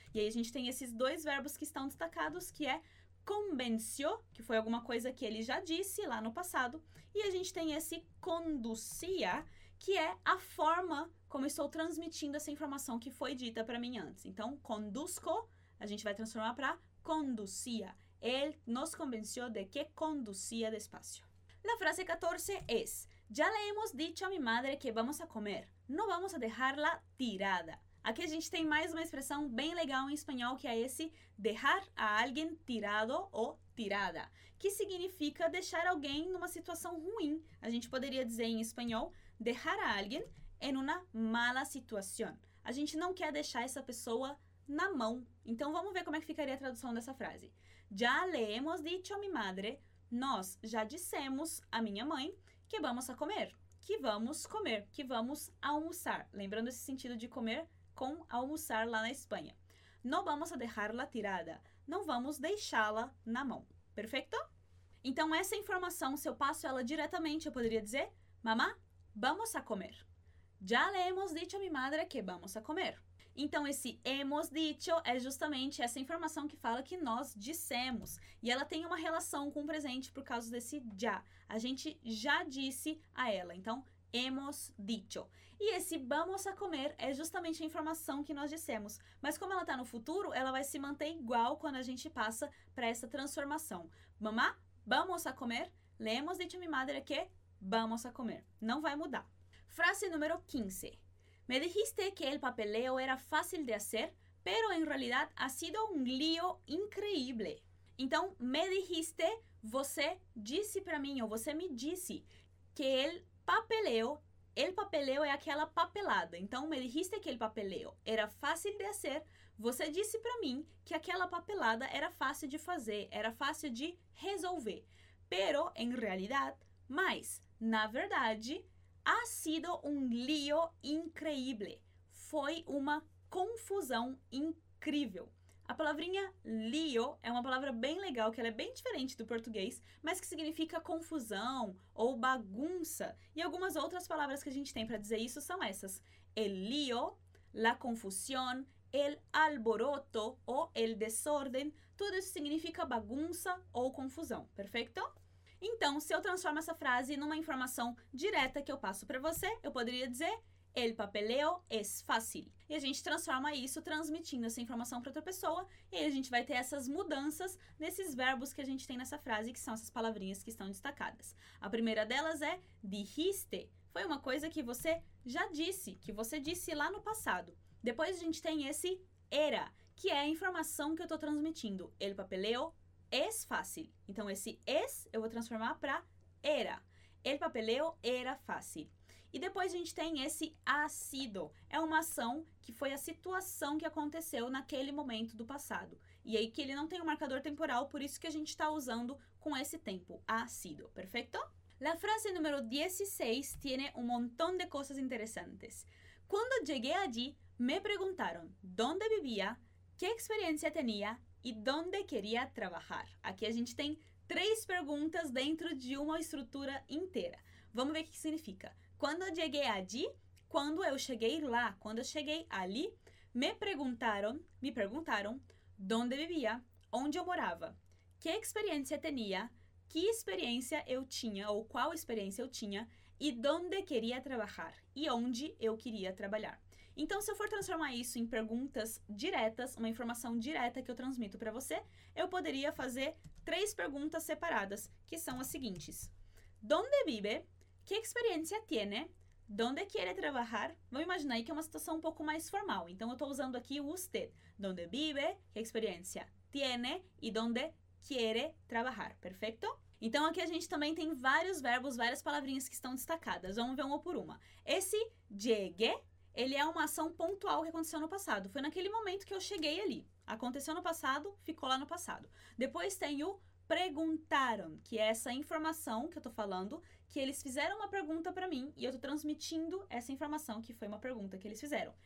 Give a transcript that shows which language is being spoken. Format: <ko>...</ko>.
<pt>E aí a gente tem esses dois verbos que estão destacados, que é convenció, que foi alguma coisa que ele já disse lá no passado, e a gente tem esse conducía, que é a forma como estou transmitindo essa informação que foi dita para mim antes. Então, conduzco, a gente vai transformar para conducía.</pt> <es>Él nos convenció de que conducía despacio. La frase 14 es, ya le hemos dicho a mi madre que vamos a comer, no vamos a dejarla tirada.</es> <pt>Aqui a gente tem mais uma expressão bem legal em espanhol, que é esse dejar a alguien tirado ou tirada, que significa deixar alguém numa situação ruim. A gente poderia dizer em espanhol,</pt> <es>dejar a alguien en una mala situación.</es> <pt>A gente não quer deixar essa pessoa na mão. Então, vamos ver como é que ficaria a tradução dessa frase.</pt> <es>Ya le hemos dicho a mi madre,</es> <pt>nós já dissemos a minha mãe</pt> <es>que vamos a comer,</es> <pt>que vamos comer, que vamos almoçar. Lembrando esse sentido de comer, com almoçar lá na Espanha.</pt> <es>No vamos a dejarla tirada.</es> <pt>Não vamos deixá-la na mão. Perfeito? Então, essa informação, se eu passo ela diretamente, eu poderia dizer,</pt> <es>mamá, vamos a comer. Já le hemos dicho a mi madre que vamos a comer.</es> <pt>Então, esse hemos dicho é justamente essa informação que fala que nós dissemos. E ela tem uma relação com o presente por causa desse já. A gente já disse a ela. Então, hemos dicho. E esse vamos a comer é justamente a informação que nós dissemos. Mas como ela está no futuro, ela vai se manter igual quando a gente passa para essa transformação.</pt> <es>Mamá, vamos a comer. Le hemos dicho a mi madre que vamos a comer.</es> <pt>Não vai mudar.</pt> <es>Frase número 15. Me dijiste que el papeleo era fácil de hacer, pero en realidad ha sido un lío increíble.</es> <pt>Então, me dijiste, você disse para mim, ou você me disse, que el papeleo é aquela papelada. Então,</pt> <es>me dijiste que el papeleo era fácil de hacer,</es> <pt>você disse para mim que aquela papelada era fácil de fazer, era fácil de resolver.</pt> <es>Pero, en realidad,</es> <pt>mas, na verdade,</pt> <es>ha sido un lío increíble.</es> <pt>Foi uma confusão incrível. A palavrinha lío é uma palavra bem legal, que ela é bem diferente do português, mas que significa confusão ou bagunça. E algumas outras palavras que a gente tem para dizer isso são essas.</pt> <es>El lío, la confusión, el alboroto ou el desorden.</es> <pt>Tudo isso significa bagunça ou confusão, perfeito? Então, se eu transformo essa frase numa informação direta que eu passo para você, eu poderia dizer,</pt> <es>el papeleo es fácil.</es> <pt>E a gente transforma isso transmitindo essa informação para outra pessoa, e aí a gente vai ter essas mudanças nesses verbos que a gente tem nessa frase, que são essas palavrinhas que estão destacadas. A primeira delas é dijiste. Foi uma coisa que você já disse, que você disse lá no passado. Depois a gente tem esse era, que é a informação que eu estou transmitindo.</pt> <es>El papeleo es fácil.</es> <pt>Então, esse es eu vou transformar para era.</pt> <es>El papeleo era fácil.</es> <pt>E depois a gente tem esse ha sido. É uma ação que foi a situação que aconteceu naquele momento do passado. E aí que ele não tem um marcador temporal, por isso que a gente está usando com esse tempo, ha sido. Perfeito?</pt> <es>La frase número 16 tiene un montón de cosas interesantes. Cuando llegué allí, me preguntaron dónde vivía, qué experiencia tenía y dónde quería trabajar.</es> <pt>Aquí a gente tem três perguntas dentro de uma estrutura inteira. Vamos ver o que significa.</pt> <es>Cuando llegué allí,</es> <pt>quando eu cheguei lá, quando eu cheguei ali, me perguntaram</pt> <es>dónde vivía,</es> <pt>onde eu morava,</pt> <es>qué experiencia tenía,</es> <pt>que experiência eu tinha ou qual experiência eu tinha e</pt> <es>dónde queria trabajar</es> <pt>e onde eu queria trabalhar. Então, se eu for transformar isso em perguntas diretas, uma informação direta que eu transmito para você, eu poderia fazer três perguntas separadas, que são as seguintes.</pt> <es>¿Dónde vive? ¿Qué experiencia tiene? ¿Dónde quiere trabajar?</es> <pt>Vamos imaginar aí que é uma situação um pouco mais formal. Então, eu estou usando aqui o usted.</pt> <es>¿Dónde vive? ¿Qué experiencia tiene? E ¿dónde quiere trabajar?</es> <pt>Perfeito? Então, aqui a gente também tem vários verbos, várias palavrinhas que estão destacadas. Vamos ver uma por uma. Esse llegue, ele é uma ação pontual que aconteceu no passado. Foi naquele momento que eu cheguei ali. Aconteceu no passado, ficou lá no passado. Depois tem o preguntaram, que é essa informação que eu tô falando, que eles fizeram uma pergunta para mim e eu tô transmitindo essa informação que foi uma pergunta que eles fizeram.</pt>